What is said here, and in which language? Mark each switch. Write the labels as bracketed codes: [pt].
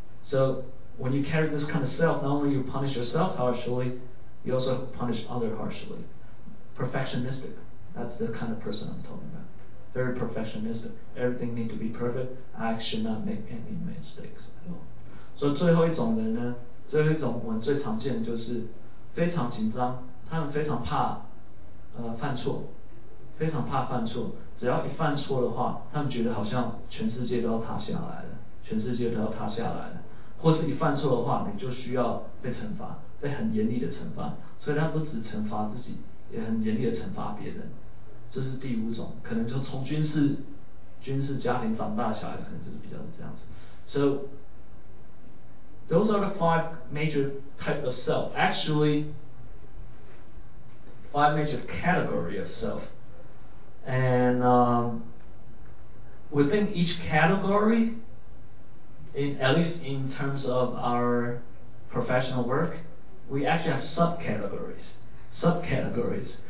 [en] So when you carry this kind of self, not only you punish yourself harshly, you also punish others harshly. Perfectionistic. That's the kind of person I'm talking about. Very perfectionistic. Everything needs to be perfect. I should not make any mistakes at all. So [zh] 最后一种人呢，最后一种我们最常见的就是非常紧张，他们非常怕犯错，非常怕犯错。只要一犯错的话，他们觉得好像全世界都要塌下来了，全世界都要塌下来了。或是一犯错的话，你就需要被惩罚，被很严厉的惩罚。所以他不只惩罚自己，也很严厉的惩罚别人。这是第五种，可能就从军事家庭长大小孩，可能就是比较是这样子。 [en] So those are the five major type of self. Actually, five major category of self. And within each category,at least in terms of our professional work, we actually have subcategories. Subcategories.